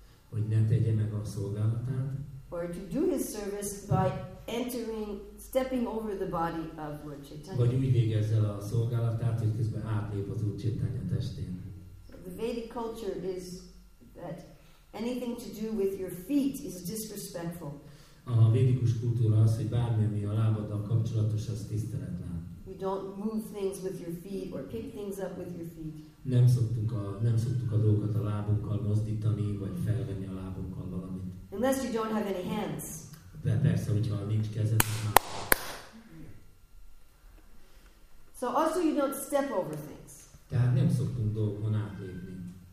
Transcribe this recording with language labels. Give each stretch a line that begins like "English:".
Hungarian: Hogy ne tegye meg a szolgálatát.
English: Or to do his service by entering, stepping over the body of Lord Chaitanya.
Hungarian: Vagy úgy végezze a szolgálatát, hogy közben átlép az úr Chaitanya testén.
English: The Vedic culture is that anything to do with your feet is disrespectful.
Hungarian: A védikus kultúra az, hogy bármi, ami a lábaddal kapcsolatos, az tiszteletlen.
English: You don't move things with your feet or pick things up with your feet.
Hungarian: Nem szoktuk a dolgokat a lábunkkal mozdítani, vagy felvenni a lábunkkal valamit.
English: Unless you don't have any hands.
Hungarian: De persze, hogyha nincs kezed.
English: So also you don't step over things.
Hungarian: Tehát nem szoktunk dolgokon átlépni.